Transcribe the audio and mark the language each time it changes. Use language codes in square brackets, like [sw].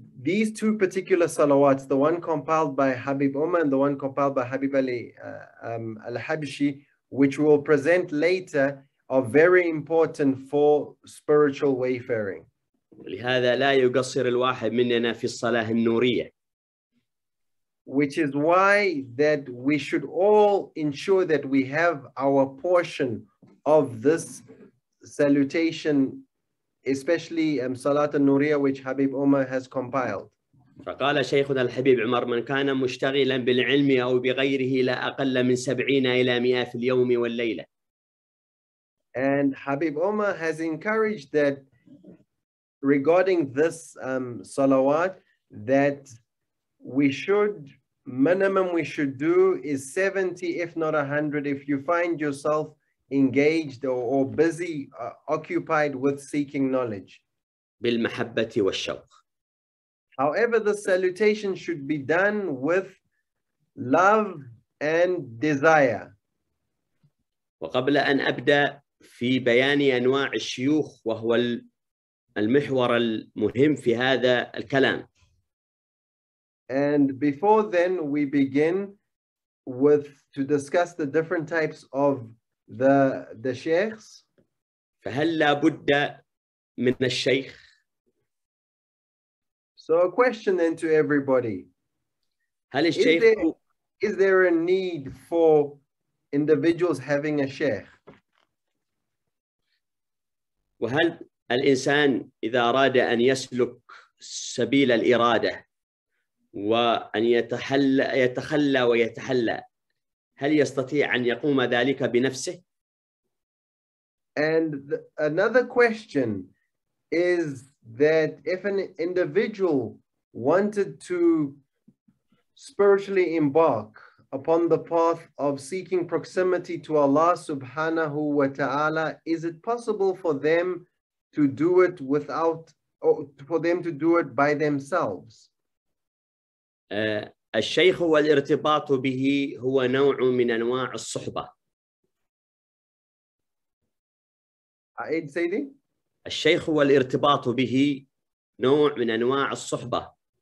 [en] These two particular salawats, the one compiled by Habib Umar and the one compiled by Habib Ali Al-Habshi, which we'll present later, are very important for spiritual wayfaring. [ar] لهذا لا يقصر الواحد مننا في الصلاة النورية. [en] Which is why that we should all ensure that we have our portion of this salutation, especially Salat al-Nuriyah, which Habib Umar has compiled. [ar] فقال شيخنا الحبيب عمر من كان مشتغلا بالعلم أو بغيره لا أقل من 70 إلى 100 في اليوم والليلة. [en] And Habib Omar has encouraged that regarding this salawat, that we should, minimum we should do is 70, if not 100, if you find yourself engaged or busy, occupied with seeking knowledge. [ar] بِالْمَحَبَّةِ وَالشَّوْقِ. [en] However, the salutation should be done with love and desire. [ar] وقبل أن أبدأ في بيان أنواع الشيوخ وهو المحور المهم في هذا الكلام. [en] And before then, we begin with to discuss the different types of the sheikhs. [ar] فهل لابد من الشيخ؟ [en] So a question then to everybody. Is there a need for individuals having a sheikh? [ar] وهل الإنسان إذا أراد أن يسلك سبيل الإرادة وأن يتخلى ويتحلى هل يستطيع أن يقوم ذلك بنفسه؟ [en] And another question is that if an individual wanted to spiritually embark upon the path of seeking proximity to Allah subhanahu wa ta'ala, is it possible for them to do it without, or for them to do it by themselves? [ar] الشيخ والارتباط به هو نوع من أنواع الصحبة. عيد سيدي. الشيخ والارتباط به نوع من أنواع الصحبة.